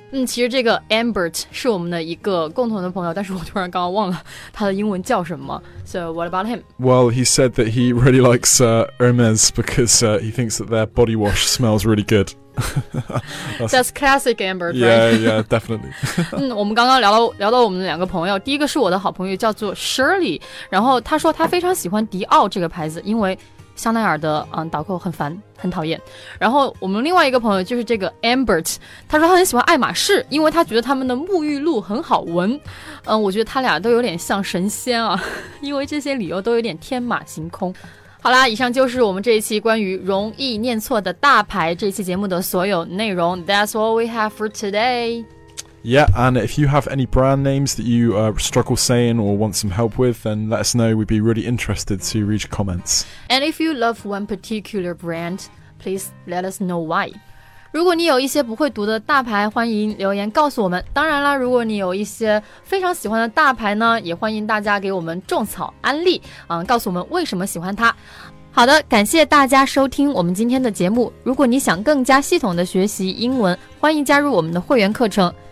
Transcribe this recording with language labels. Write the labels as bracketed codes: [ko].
[zh] 其实这个 Ambert 是我们的一个共同的朋友，但是我突然刚刚忘了他的英文叫什么。 [en] So what about him? Well, he said that he really likes Hermes because he thinks that their body wash smells really good. That's classic Ambert, right? Yeah, yeah, definitely. [zh] 我们刚刚聊到我们的两个朋友，第一个是我的好朋友叫做 Shirley， 然后他说他非常喜欢迪奥这个牌子，因为香奈儿的导购很烦很讨厌，然后我们另外一个朋友就是这个 Ambert， 他说他很喜欢爱马仕，因为他觉得他们的沐浴露很好闻。我觉得他俩都有点像神仙啊，因为这些理由都有点天马行空。好啦，以上就是我们这一期关于容易念错的大牌这期节目的所有内容。 [en] That's all we have for today Yeah, and if you have any brand names that you struggle saying or want some help with, then let us know. We'd be really interested to read your comments. And if you love one particular brand, please let us know why. [zh] 如果你有一些不会读的大牌，欢迎留言告诉我们。当然啦，如果你有一些非常喜欢的大牌呢，也欢迎大家给我们种草安利，告诉我们为什么喜欢它。好的，感谢大家收听我们今天的节目。如果你想更加系统的学习英文，欢迎加入我们的会员课程。